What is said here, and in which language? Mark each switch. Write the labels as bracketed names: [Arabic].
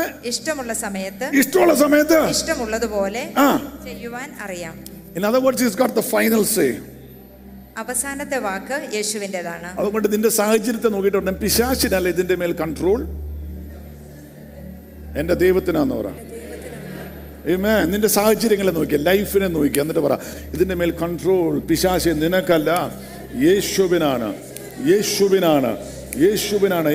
[Malayalam] ഇഷ്ടമുള്ള സമയത്ത് ഇഷ്ടമുള്ളതുപോലെ ചെയ്യുവാൻ അറിയാം. [English] In other words, he's got the final say. [Malayalam] അവസാനത്തെ വാക്ക് യേശുവിൻ്റെതാണ്. അതുകൊണ്ട് ഇതിന്റെ സാഹചര്യത്തെ നോക്കിയിട്ട് പിശാചിനല്ല ഇതിന്റെ മേൽ കൺട്രോൾ, എന്റെ ദൈവത്തിനാന്ന് പറ. ഏമേ, നിന്റെ സാഹചര്യങ്ങളെ നോക്കി, ലൈഫിനെ നോക്കി, എന്നിട്ട് പറ ഇതിന്റെ മേൽ കൺട്രോൾ. പിശാചി നിനക്കല്ല, യേശുവിനാണ്, യേശുവിനാണ്, യേശുവിനാണ്.